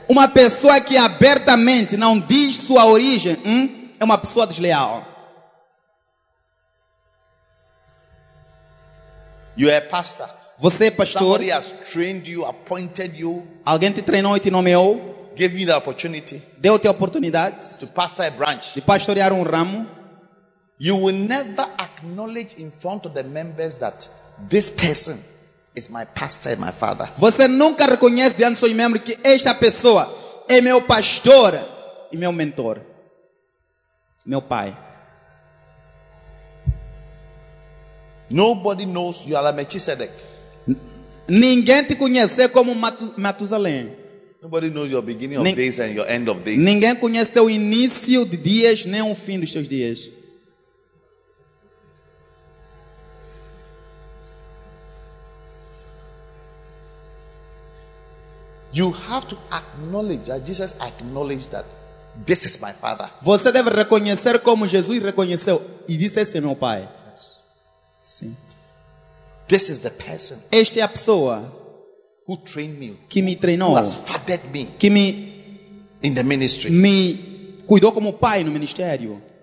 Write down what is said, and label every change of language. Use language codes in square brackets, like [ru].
[pt] Uma pessoa que abertamente não diz sua origem é uma pessoa desleal. [en] You are a pastor. [pt] Você é pastor. [en] Somebody has trained you, appointed you. [pt] Alguém te treinou e te nomeou. [en] Gave you the opportunity. [pt] Deu-te a oportunidade. [en] To pastor a branch. [pt] De pastorear ramo. [en] You will never acknowledge in front of the members that this person is my pastor and my father. [pt] Você nunca reconhece diante dos seus membros que esta pessoa é meu pastor e meu mentor. Meu pai. [en] Nobody knows you are a Melchizedek. [pt] Ninguém te conhece como Matusalém. [en] Nobody knows your beginning of days and your end of days. [pt] Ninguém conhece o início de dias nem o fim dos seus dias. [en] You have to acknowledge that Jesus acknowledged that this is my father. [pt] Você deve reconhecer como Jesus reconheceu e disse esse é meu pai. [en] Yes. [pt] Sim. [en] This is the person. [pt] Esta é a pessoa [en] who trained me. [pt] Que me treinou. [en] Who has fathered me. [pt] Que me [en] in the ministry. [pt] Me cuidou como pai no ministério.